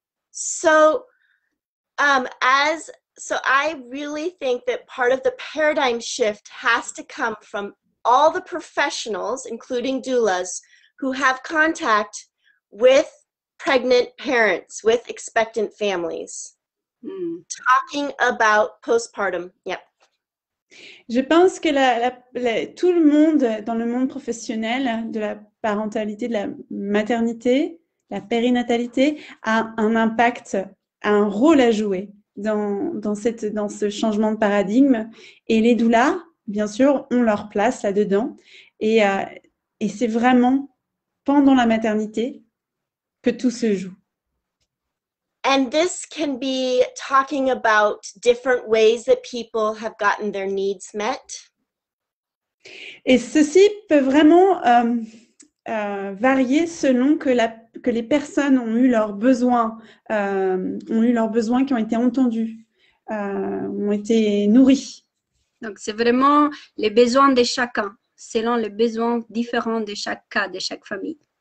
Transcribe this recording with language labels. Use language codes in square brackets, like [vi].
[en] So I really think that part of the paradigm shift has to come from all the professionals, including doulas, who have contact with pregnant parents, with expectant families, talking about postpartum. Yep. [fr] Je pense que tout le monde dans le monde professionnel de la parentalité, de la maternité, la périnatalité a un impact, a un rôle à jouer dans ce changement de paradigme. Et les doulas, bien sûr, ont leur place là-dedans. Et c'est vraiment pendant la maternité que tout se joue. [en] And this can be talking about different ways that people have gotten their needs met. [fr] Et ceci peut vraiment varier selon que les personnes ont eu leurs besoins qui ont été entendus, ont été nourris. Donc c'est vraiment les besoins de chacun, selon les besoins différents de chaque cas, de chaque famille.